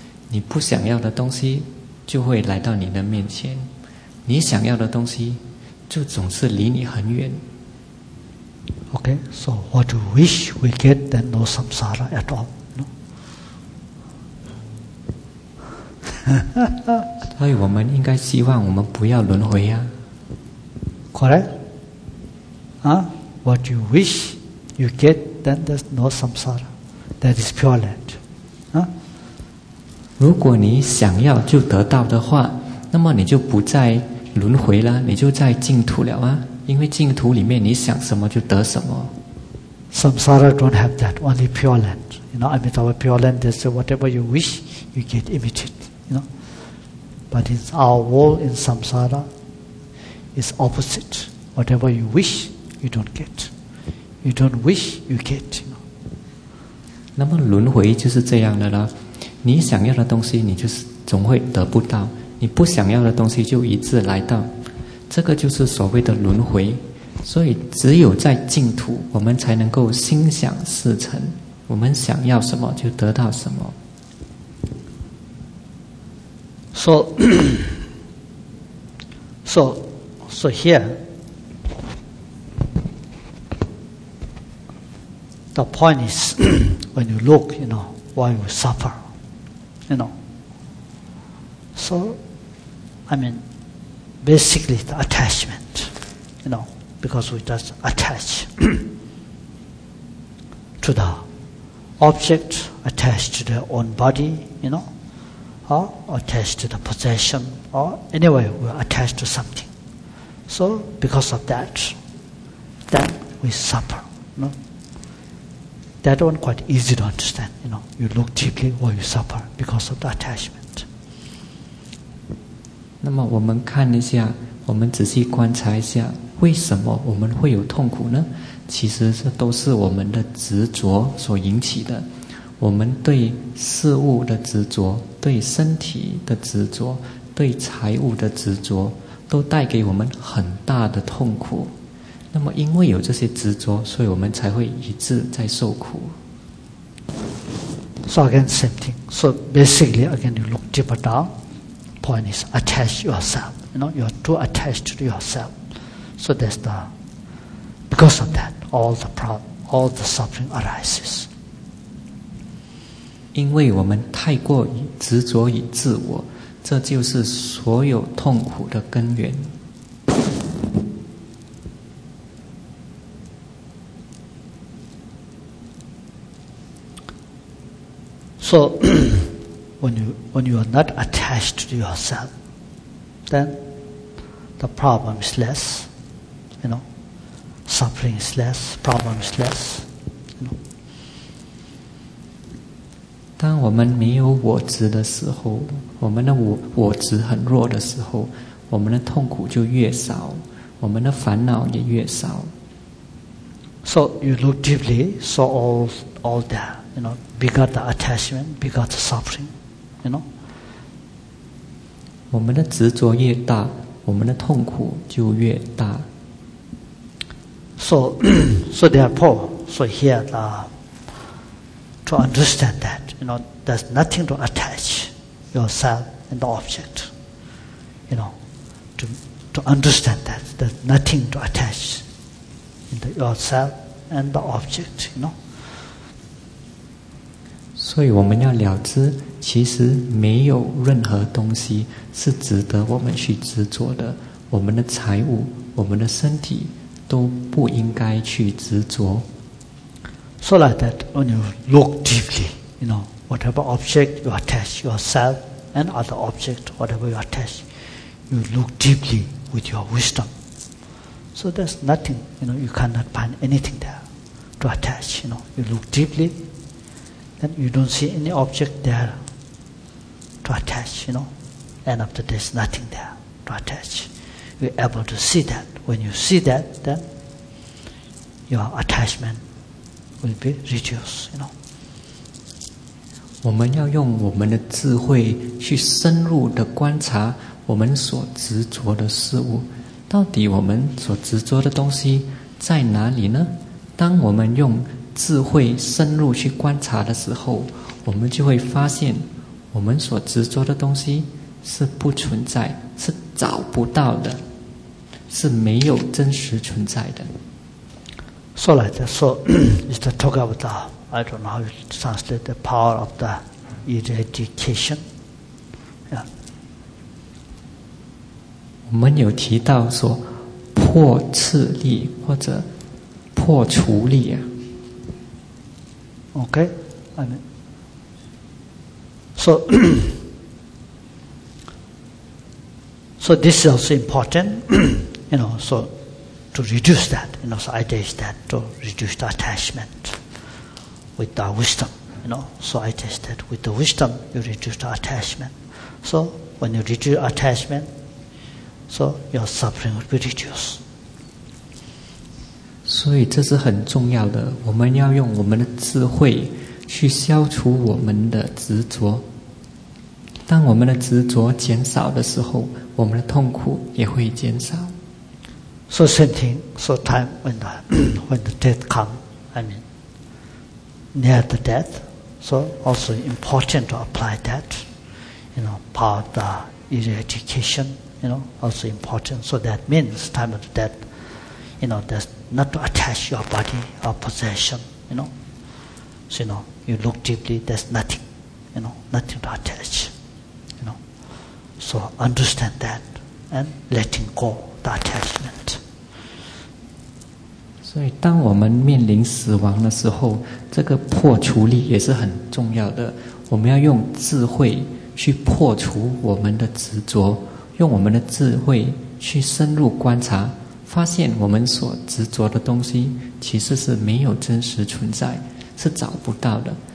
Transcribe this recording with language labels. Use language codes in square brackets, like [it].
[zh] 你不想要的东西就会来到你的面前，你想要的东西就总是离你很远。 [en] OK, so what you wish we get, then no samsara at all, no? [zh] 所以我们应该希望我们不要轮回啊。 [en] Correct? What you wish you get, then there's no samsara. That is pure land. [zh] 如果你想要就得到的话，那么你就不再轮回了，你就在净土了啊！因为净土里面你想什么就得什么。 [en] Samsara don't have that, only pure land. You know, I mean, our pure land, they say whatever you wish, you get immediately. You know, but in our world in samsara, is opposite. Whatever you wish, you don't get. You don't wish, you get. You know. [zh] 那么轮回就是这样的啦。你想要的东西你就是总会得不到，你不想要的东西就一直来到，这个就是所谓的轮回。所以只有在净土我们才能够心想事成，我们想要什么就得到什么。 [en] So here the point is when you look, you know, why you sufferYou know, so, I mean, basically the attachment, you know, because we just attach to the object, attach to their own body, you know, attached to the possession, or anyway, we're attached to something. So because of that, then we suffer. No? That one quite easy to understand. You know, you look deeply, or you suffer because of the attachment. [zh] 那么我们看一下，我们仔细观察一下，为什么我们会有痛苦呢？其实这都是我们的执着所引起的。我们对事物的执着，对身体的执着，对财物的执着，都带给我们很大的痛苦。那么因为有这些执着，所以我们才会一直在受苦。 [en] So again, same thing. So basically, again, you look deeper down. Point is, attach yourself. You know, you're too attached to yourself. So that's the... Because of that, all the problem, all the suffering arises. [zh] 因为我们太过于执着于自我，这就是所有痛苦的根源。 [en] So, when you are not attached to yourself, then the problem is less, you know, suffering is less, problem is less, you know. [zh] 当我们没有我执的时候，我们的我执很弱的时候，我们的痛苦就越少，我们的烦恼也越少。 [en] So you look deeply, saw all that. You know, bigger the attachment, bigger the suffering, you know. [zh] 我们的执着越大，我们的痛苦就越大。 [en] So therefore, so here, to understand that, you know, there's nothing to attach yourself and the object. You know, to understand that, there's nothing to attach in the yourself and the object, you know. [zh] 所以我们要了知，其实没有任何东西是值得我们去执着的。我们的财物、我们的身体都不应该去执着。 [en] So like that, when you look deeply, you know, whatever object you attach yourself and other object, whatever you attach, you look deeply with your wisdom. So there's nothing, you know, you cannot find anything there to attach, you know, you look deeply. And you don't see any object there to attach, you know. And after there's nothing there to attach. You're able to see that. When you see that, then your attachment will be reduced, you know. [zh] 我们要用我们的智慧去深入的观察我们所执着的事物。到底我们所执着的东西在哪里呢？当我们用智慧深入去观察的时候，我们就会发现我们所执着的东西是不存在，是找不到的，是没有真实存在的。 [en] So like that, so it's the talk about the, I don't know how you translate the power of the eradication. Yeah. [zh] 我们有提到说破斥力或者破除力啊。 [en] Okay, I mean, so, so this is also important, you know, so to reduce that, you know, so idea is that to reduce the attachment with the wisdom, you know, so idea is that with the wisdom, you reduce the attachment. So when you reduce attachment, so your suffering will be reduced. [zh] 所以这是很重要的，我们要用我们的智慧去消除我们的执着。当我们的执着减少的时候，我们的痛苦也会减少。 [en] So same thing, so time when the death come, I mean, near the death, so also important to apply that, you know, part of the eradication, you know, also important. So that means time of the death, you know, that's not to attach your body or possession, you know. So, you know, you look deeply, there's nothing, you know, nothing to attach, you know. So understand that and letting go the attachment. [zh] 所以当我们面临死亡的时候，这个破除力也是很重要的。我们要用智慧去破除我们的执着，用我们的智慧去深入观察，发现我们所执着的东西其实是没有真实存在，是找不到的。